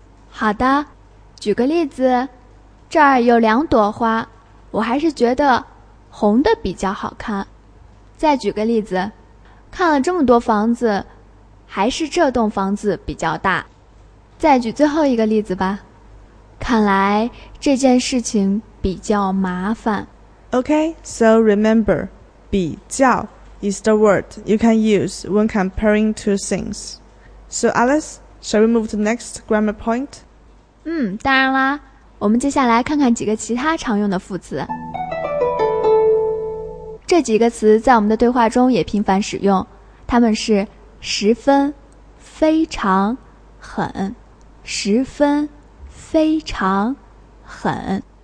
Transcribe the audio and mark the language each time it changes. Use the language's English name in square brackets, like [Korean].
[Chinese] 好的，举个例子，这儿有两朵花，我还是觉得红的比较好看。再举个例子，看了这么多房子，还是这栋房子比较大。再举最后一个例子吧，看来这件事情比较麻烦。 [English] OK, so remember, 比较 is the word you can use when comparing two things. So Alice, shall we move to the next grammar point? [Chinese] 当然啦，我们接下来看看几个其他常用的副词。这几个词在我们的对话中也频繁使用，它们是十分、非常、很。十分、非常、很。